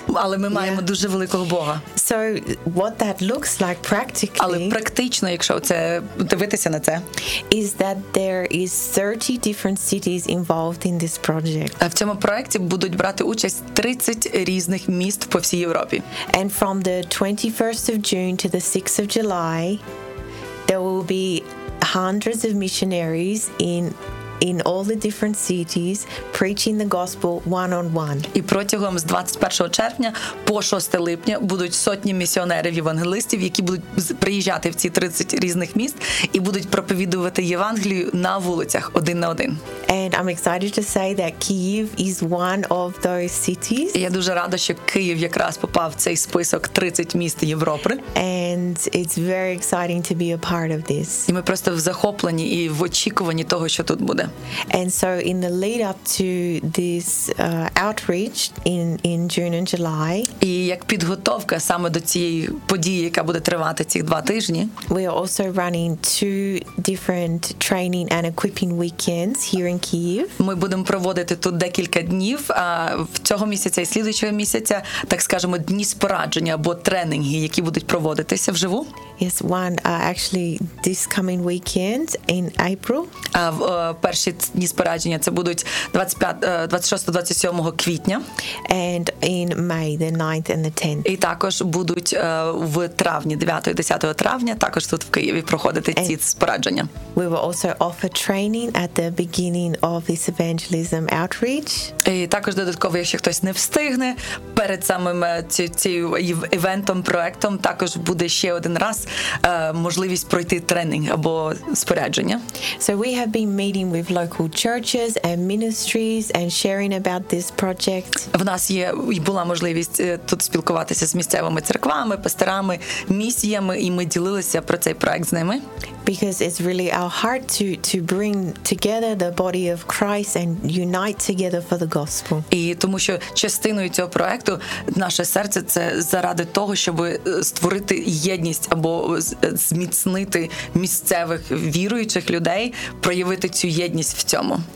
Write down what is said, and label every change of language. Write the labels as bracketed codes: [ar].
[uk] Але ми маємо дуже великого Бога. [en] So what that looks like practically? [uk] Але практично, якщо це дивитися на це, [en] is that there is 30 different cities involved in this project. [uk] А в цьому проєкті будуть брати участь 30 різних міст по всій Європі. [en] And from the 21st of June to the 6th of July, there will be hundreds of missionaries in all the different cities preaching the gospel one on one. [uk] І протягом з 21 червня по 6 липня будуть сотні місіонерів-євангелистів, які будуть приїжджати в ці 30 різних міст і будуть проповідувати Євангелію на вулицях один на один. [en] And I'm excited to say that Kyiv is one of those cities. [uk] Я дуже рада, що Київ якраз попав в цей список 30 міст Європи. [en] And it's very exciting to be a part of this. [uk] І ми просто в захопленні і в очікуванні того, що тут буде. [en] And so in the lead up to this outreach in June and July, [uk] і як підготовка саме до цієї події, яка буде тривати цих два тижні, [en] we are also running two different training and equipping weekends here in Kyiv. [uk] Ми будемо проводити тут декілька днів, в цього місяця і слідуючого місяця, так скажемо, дні спорадження або тренінги, які будуть проводитися вживу. [en] Yes, one actually this coming weekend in April. [uk] Перші дні спорадження це будуть 26-27 квітня. [en] And in May the 9th and the 10th. [uk] І також будуть в травні, 9-10 травня, також тут в Києві проходити ці спорадження. [en] We will also offer training at the beginning of this evangelism outreach. [uk] І також додатково, якщо хтось не встигне перед самим цим івентом, проектом, також буде ще один раз можливість пройти тренінг або спорядження. [en] So we have been meeting with local churches and ministries and sharing about this project. [uk] В нас є і була можливість тут спілкуватися з місцевими церквами, пасторами, місіями, і ми ділилися про цей проект з ними. [en] Because it's really our heart to bring together the body of Christ and unite together for the gospel. [uk] І тому що частиною цього проекту наше серце це заради того, щоб створити єдність або зміцнити місцевих віруючих людей, проявити цю єдність в цьому.